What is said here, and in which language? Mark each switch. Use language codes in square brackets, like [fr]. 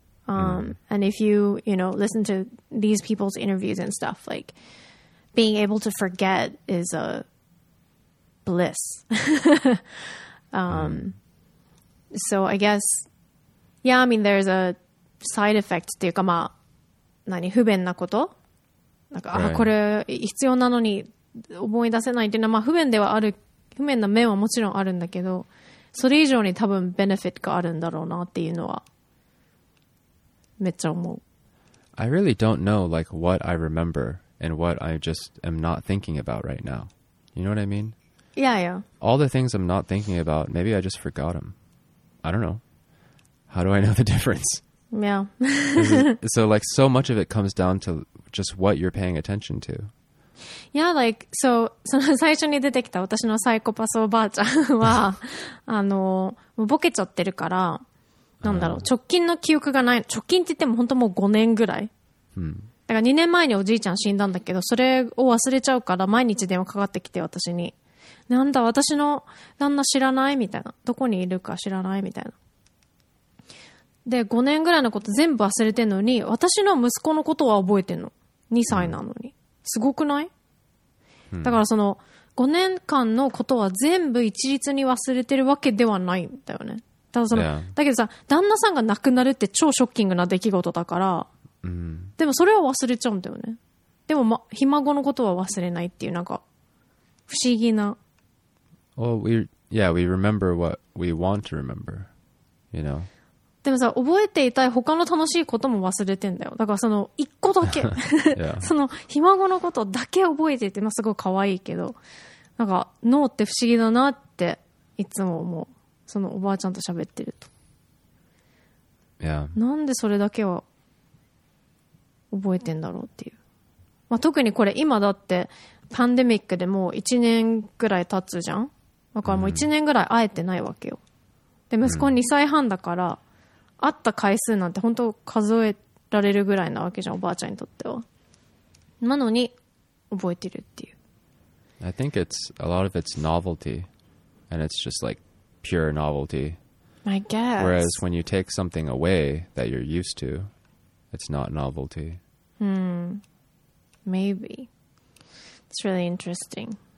[en] And if you, you know, listen to these people's interviews and stuff, like, being able to forget is a bliss. So I guess, yeah, I mean, there's a side effect [ja] っていうか、まあ、何、不便なこと。なんか、ああ、これ必要なのに思い出せないっていうのは、まあ、不便ではある、不便な面はもちろんあるんだけど、それ以上に多分、ベネフィットがあるんだろうなっていうのは、めっちゃ思う。 [en] I really don't know, like, what I remember and what I just am not thinking about right now. You know what I mean? Yeah, yeah. All the things I'm not thinking about, maybe I just forgot them. I don't know. How do I know the difference? Yeah. So, like, so much of it comes down to just what you're paying attention to. Yeah, like, so, [ja] その最初に出てきた私のサイコパスおばあちゃんは、あの、ボケちゃってるから、なんだろう、直近の記憶がない、直近って言っても本当もう5年ぐらい。だから2年前におじいちゃん死んだんだけど、それを忘れちゃうから毎日電話かかってきて私に。なんだ、私の旦那知らないみたいな。どこにいるか知らないみたいな。で、5年ぐらいのこと全部忘れてんのに、私の息子のことは覚えてんの。2歳なのに。すごくない？だからその、5年間のことは全部一律に忘れてるわけではないんだよね。ただその、 [en] yeah. [ja] だけどさ、旦那さんが亡くなるって超ショッキングな出来事だから、でもそれは忘れちゃうんだよね。でも、ま、ひ孫のことは忘れないっていう、なんか、不思議な。 [en] Well, yeah, we remember what we want to remember, you know? [ja] でもさ、覚えていたい他の楽しいことも忘れてんだよ。だからその一個だけ、そのひ孫のことだけ覚えていて、まあ、すごい可愛いけど、なんか脳って不思議だなっていつも思う。そのおばあちゃんと喋ってると、 [en] yeah. [ja] なんでそれだけは覚えてんだろうっていう。まあ、特にこれ今だってパンデミックでもう1年ぐらい経つじゃん。だからもう1年ぐらい会えてないわけよ。で息子2歳半だから。会った回数なんて本当数えられるぐらいなわけじゃん、おばあちゃんにとっては。なのに覚えてるっていう。 [en] I think it's a lot of it's novelty, and it's just like pure novelty. I guess. Whereas when you take something away that you're used to, it's not novelty. Maybe. It's really interesting.